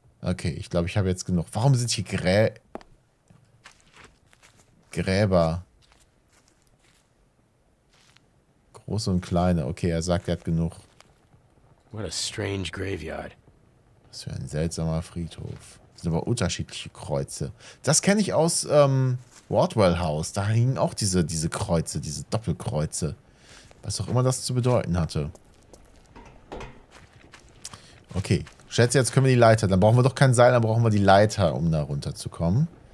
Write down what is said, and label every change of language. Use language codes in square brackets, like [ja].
[de] Okay, ich glaube, ich habe jetzt genug. Warum sind hier Gräber? Große und kleine. Okay, er sagt, er hat genug. [en] What a strange graveyard. [de] Was für ein seltsamer Friedhof. Das sind aber unterschiedliche Kreuze. Das kenne ich aus Wardwell House. Da hingen auch diese Kreuze, diese Doppelkreuze. Was auch immer das zu bedeuten hatte. Okay. Schätze, jetzt können wir die Leiter. Dann brauchen wir doch kein Seil, dann brauchen wir die Leiter, um da runterzukommen.